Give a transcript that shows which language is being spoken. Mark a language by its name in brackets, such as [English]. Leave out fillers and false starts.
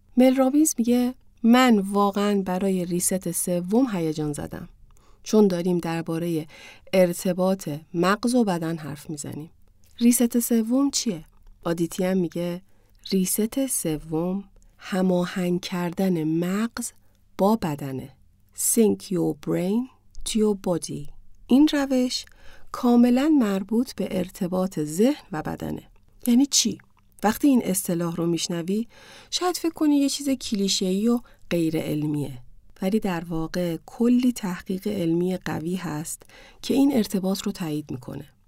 [Persian] مل رابینز میگه من واقعا برای ریست 3 هیجان زدم. چون داریم درباره ارتباط مغز و بدن حرف میزنیم. ریست 3 چیه؟ آدیتی هم میگه ریست 3 هماهنگ کردن مغز با بدنه. [English] Sync your brain to your body. [Persian] این روش کاملا مربوط به ارتباط ذهن و بدنه. یعنی چی؟ وقتی این اصطلاح رو میشنوی، شاید فکر کنی یه چیز کلیشه‌ای و غیر علمیه. ولی در واقع کلی تحقیق علمی قوی هست که این ارتباط رو تایید میکنه.